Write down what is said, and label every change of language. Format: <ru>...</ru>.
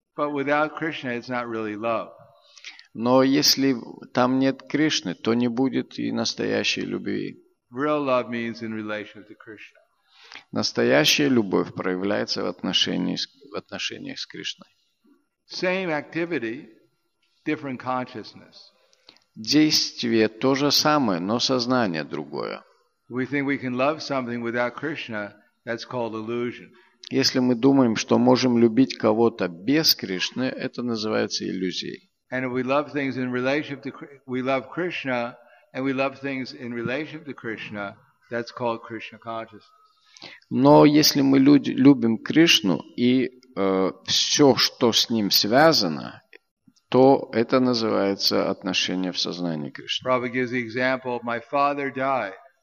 <en>But without Krishna, it's not really love.</en> <ru>Но если там нет Кришны, то не будет и настоящей любви.</ru> <en>Real love means in relation to Krishna.</en> <ru>Настоящая любовь проявляется в отношениях с Кришной.</ru> <en>Same activity, different consciousness.</en> <ru>Действие то же самое, но сознание другое.</ru> <en>We think we can love something without Krishna, that's called illusion.</en> <ru>Если мы думаем, что можем любить кого-то без Кришны, это называется иллюзией.</ru> <en>And we love things in relation to we love Krishna, and we love things in relation to Krishna, that's called Krishna consciousness.</en> <ru>Но если мы любим Кришну и все, что с ним связано, то это называется отношение в сознании Кришны.</ru> <en>Prabhupada gives the example, my father died.</en>